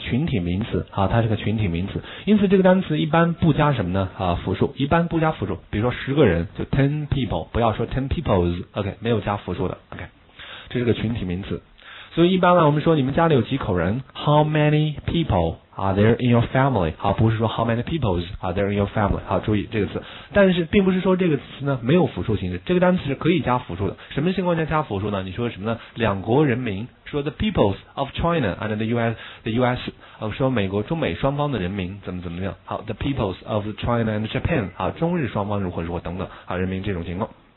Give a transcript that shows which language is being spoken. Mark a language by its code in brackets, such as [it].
[zh] 群体名词，好，它是个群体名词，因此这个单词一般不加什么呢？啊，复数，一般不加复数，比如说十个人就 [en] ten people， [zh] 不要说 [en] ten peoples， [zh] OK，、okay, 没有加复数的 ，OK， 这是个群体名词。所以一般呢，我们说你们家里有几口人 ？ [en] How many people are there in your family？ [zh] 好，不是说 [en] How many peoples are there in your family？ [zh] 好，注意这个词，但是并不是说这个词呢没有复数形式，这个单词是可以加复数的。什么情况下加复数呢？你说什么呢？两国人民，说 [en] the peoples of China and the U.S.， [zh] 说美国中美双方的人民怎么怎么样？好 ， [en] the peoples of China and Japan， [zh] 好，中日双方如何如何等等，好，人民这种情况。